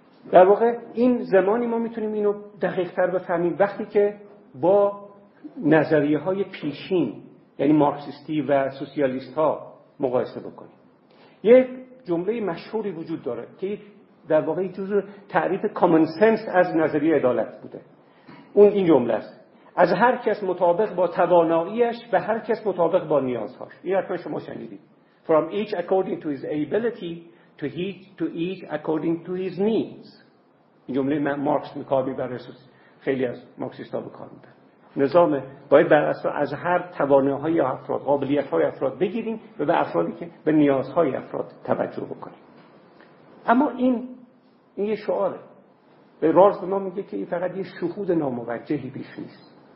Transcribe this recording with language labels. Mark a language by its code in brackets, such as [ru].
[fa] در واقع این زمانی ما میتونیم اینو دقیق‌تر بفهمیم وقتی که با نظریه‌های پیشین یعنی مارکسیستی و سوسیالیست‌ها مقایسه بکنیم. یک جمله مشهوری وجود داره که در واقع جزء تعریف کامن سنس از نظریه عدالت بوده، اون این جمله است: از هر کس مطابق با تواناییش و هر کس مطابق با نیازهاش. این حتما شما شنیدید: [en] From each according to his ability to each according to his needs. [fa] این جمله مارکس میکار میبره، خیلی از مارکسیست ها بکار میبره. نظام باید بر اساس از هر توانایی افراد، قابلیت های افراد بگیریم و به افرادی که به نیازهای افراد توجه بکنیم. اما این یه شعاره. به رارز به ما میگه که این فقط یه شهود ناموجهی بیش نیست.